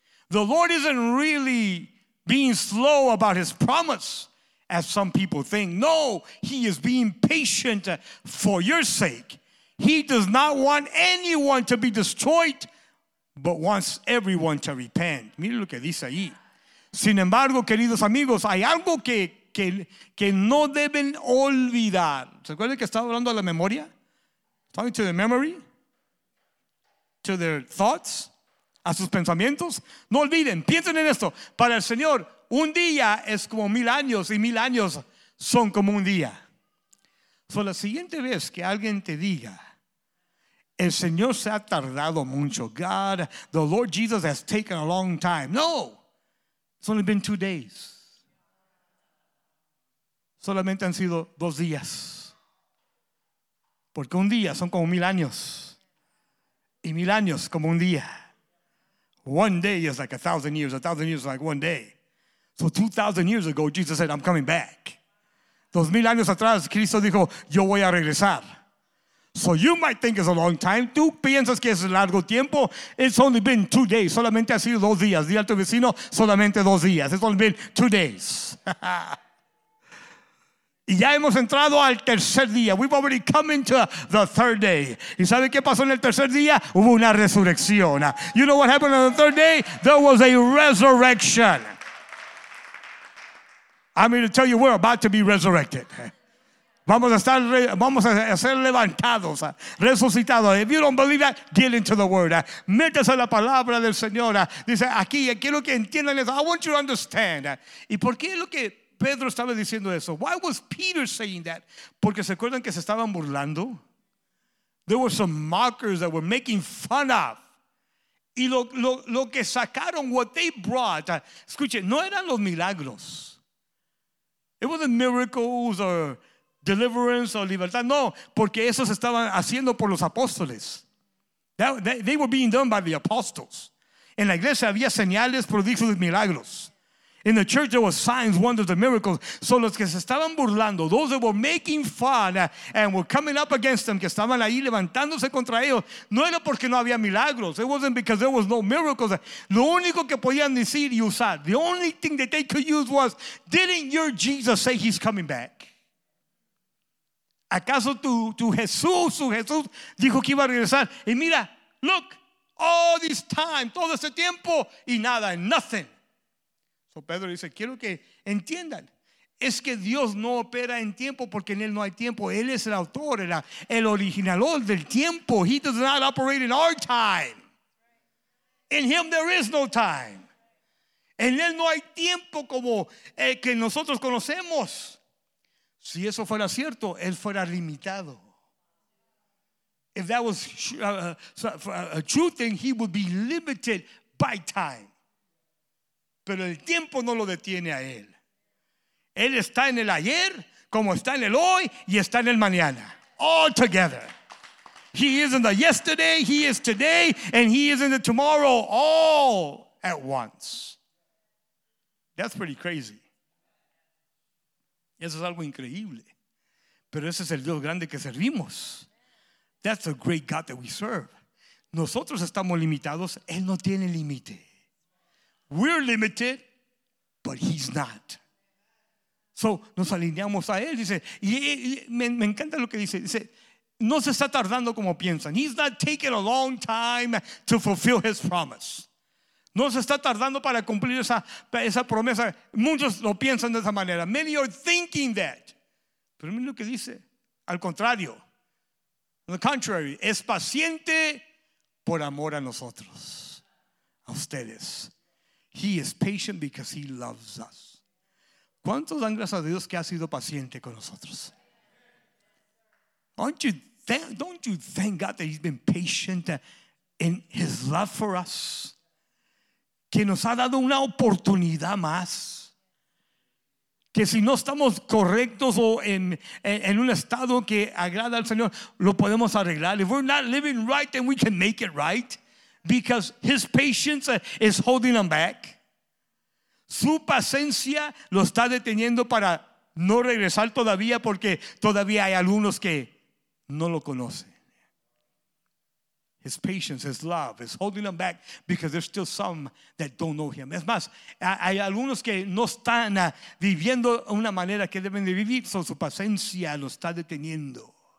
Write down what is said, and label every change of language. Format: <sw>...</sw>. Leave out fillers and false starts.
<en>The Lord isn't really being slow about his promise, as some people think. No, he is being patient for your sake. He does not want anyone to be destroyed, but wants everyone to repent.</en> <es>Mire lo que dice ahí. Sin embargo, queridos amigos, hay algo que no deben olvidar. ¿Se acuerdan que estaba hablando a la memoria?</es> <en>Talking to the memory, to their thoughts,</en> <es>a sus pensamientos. No olviden, piensen en esto. Para el Señor, un día es como 1,000 años y 1,000 años son como un día. So, la siguiente vez que alguien te diga, el Señor se ha tardado mucho.</es> <en>God, the Lord Jesus has taken a long time. No, it's only been 2 days.</en> <es>Solamente han sido 2 días. Porque un día son como 1,000 años y 1,000 años como un día.</es> <en>One day is like 1,000 years, 1,000 years is like one day. So 2,000 years ago, Jesus said, I'm coming back.</en> <es>2,000 años atrás, Cristo dijo, yo voy a regresar.</es> <en>So you might think it's a long time.</en> <es>Tú piensas que es largo tiempo.</es> <en>It's only been 2 days.</en> <es>Solamente ha sido 2 días. Dile a tu vecino, solamente 2 días.</es> <en>It's only been 2 days.</en> <es>Y ya hemos entrado al tercer día.</es> <en>We've already come into the third day.</en> <es>¿Y sabe qué pasó en el tercer día? Hubo una resurrección.</es> <en>You know what happened on the third day? There was a resurrection. I'm here to tell you, we're about to be resurrected.</en> <es>Vamos a estar, vamos a ser levantados, resucitados.</es> <en>If you don't believe that, get into the word.</en> <es>Métase la palabra del Señor. Dice aquí, quiero que entiendan eso.</es> <en>I want you to understand.</en> <es>¿Y por qué es lo que Pedro estaba diciendo eso?</es> <en>Why was Peter saying that?</en> <es>Porque se acuerdan que se estaban burlando.</es> <en>There were some mockers that were making fun of.</en> <es>Y lo que sacaron,</es> <en>what they brought,</en> <es>escuchen, no eran los milagros.</es> <en>It wasn't miracles or deliverance or libertad.</en> <es>No, porque eso se estaban haciendo por los apóstoles.</es> <en>They were being done by the apostles.</en> <es>En la iglesia había señales, prodigios y milagros.</es> <en>In the church, there were signs, wonders, and miracles.</en> <es>So los que se estaban burlando,</es> <en>those that were making fun and were coming up against them,</en> <es>que estaban ahí levantándose contra ellos, no era porque no había milagros.</es> <en>It wasn't because there was no miracles.</en> <es>Lo único que podían decir y usar,</es> <en>the only thing that they could use was, didn't your Jesus say he's coming back?</en> <es>¿Acaso tu Jesús dijo que iba a regresar? Y mira,</es> <en>look, all this time,</en> <es>todo ese tiempo, y nada,</es> <en>nothing.</en> <es>Pedro dice, quiero que entiendan, es que Dios no opera en tiempo porque en Él no hay tiempo. Él es el autor, el originador del tiempo.</es> <en>He does not operate in our time. In Him there is no time.</en> <es>En Él no hay tiempo como el que nosotros conocemos. Si eso fuera cierto, Él fuera limitado.</es> <en>If that was a true thing, He would be limited by time.</en> <es>Pero el tiempo no lo detiene a Él. Él está en el ayer, como está en el hoy, y está en el mañana.</es> <en>All together. He is in the yesterday, He is today, and He is in the tomorrow, all at once. That's pretty crazy.</en> <es>Eso es algo increíble. Pero ese es el Dios grande que servimos.</es> <en>That's the great God that we serve.</en> <es>Nosotros estamos limitados, Él no tiene límite.</es> <en>We're limited, but He's not. So,</en> <es>nos alineamos a Él, dice. Y me encanta lo que dice. Dice, no se está tardando como piensan.</es> <en>He's not taking a long time to fulfill His promise.</en> <es>No se está tardando para cumplir esa promesa. Muchos lo piensan de esa manera.</es> <en>Many are thinking that.</en> <es>Pero miren lo que dice. Al contrario.</es> <en>On the contrary,</en> <es>es paciente por amor a nosotros. A ustedes.</es> <en>He is patient because He loves us.</en> <es>¿Cuántos dan gracias a Dios que ha sido paciente con nosotros?</es> <en>Don't you thank God that He's been patient in His love for us?</en> <es>Que nos ha dado una oportunidad más. Que si no estamos correctos o en un estado que agrada al Señor, lo podemos arreglar.</es> <en>If we're not living right, then we can make it right. Because His patience is holding them back.</en> <es>Su paciencia lo está deteniendo para no regresar todavía porque todavía hay algunos que no lo conocen.</es> <en>His patience, His love is holding them back because there's still some that don't know Him.</en> <es>Es más, hay algunos que no están viviendo una manera que deben de vivir, so su paciencia lo está deteniendo.</es>